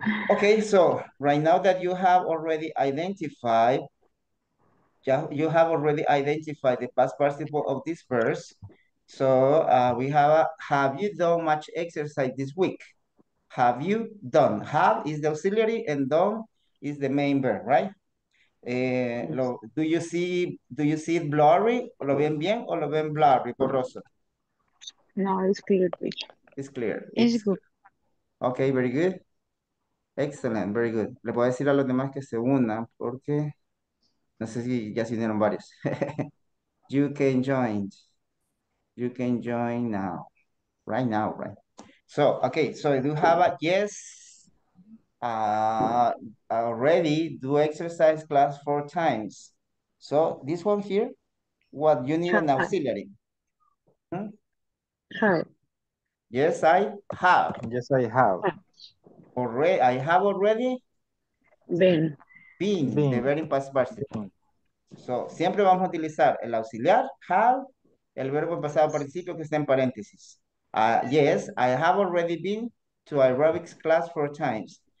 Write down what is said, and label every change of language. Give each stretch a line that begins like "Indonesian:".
English: Okay, so right now that you have already identified, you have already identified the past participle of this verse. So we have have you done much exercise this week? Have you done? Have is the auxiliary and done is the main verb, right? Do you see it blurry?
Spanish: ¿Lo ven bien o lo ven blurry, borroso?
English: No, it's clear. It's clear. It's good. Okay, very good. Excellent, very good.
Spanish: Le puedo decir a los demás que se unan porque no sé si ya se unieron varios.
English: You can join. You can join now. Right now, right? So, okay, so I do have a yes. Already do exercise class 4 times. So this one here, what you need an auxiliary. Have. Yes, I have. Yes, I have. Already, I have already? Been. Been. Been. The very past participle.
Spanish: So, siempre vamos a utilizar el auxiliar, have, el verbo en pasado participio que está en paréntesis.
English: Yes, I have already been to aerobics class 4 times.